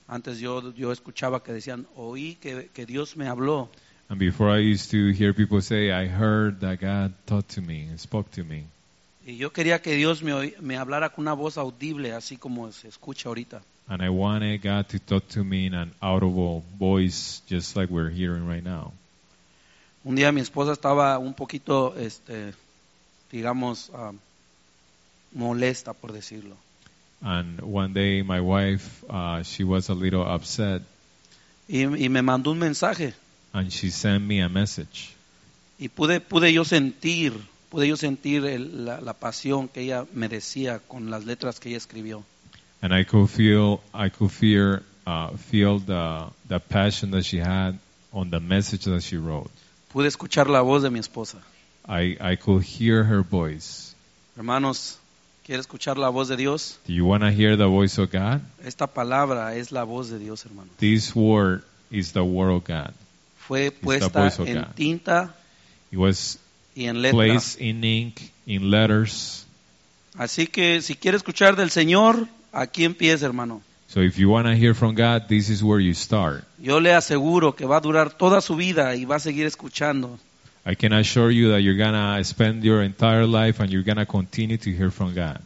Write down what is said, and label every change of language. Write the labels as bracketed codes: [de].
[es] Antes yo escuchaba que decían, oí que Dios me habló. [en] And before I used to hear people say, I heard that God talked to me and spoke to me. [es] Y yo quería que Dios me hablara con una voz audible, así como se escucha ahorita. [en] And I wanted God to talk to me in an audible voice, just like we're hearing right now. [es] Un día mi esposa estaba un poquito, digamos, molesta, por decirlo. [en] And one day my wife, she was a little upset. [es] Y me mandó un mensaje. [en] And she sent me a message. [es] Y pude yo sentir la pasión que ella me decía con las letras que ella escribió. [en] And I could feel the passion that she had on the message that she wrote. [es] Pude escuchar la voz de mi esposa. [en] I could hear her voice. [es] Hermanos, ¿quiere escuchar la voz de Dios? [en] Do you want to hear the voice of God? [es] Esta palabra es la voz de Dios, hermanos. [en] This word is the word of God. [es] Fue puesta en tinta y en letra. [en] Placed in ink, in letters. [es] Así que si quiere escuchar del Señor, aquí empieza, hermano. [en] So if you want to hear from God, this is where you start. [es] Yo le aseguro que va a durar toda su vida y va a seguir escuchando. [en] I can assure you that you're gonna spend your entire life and you're gonna continue to hear from God.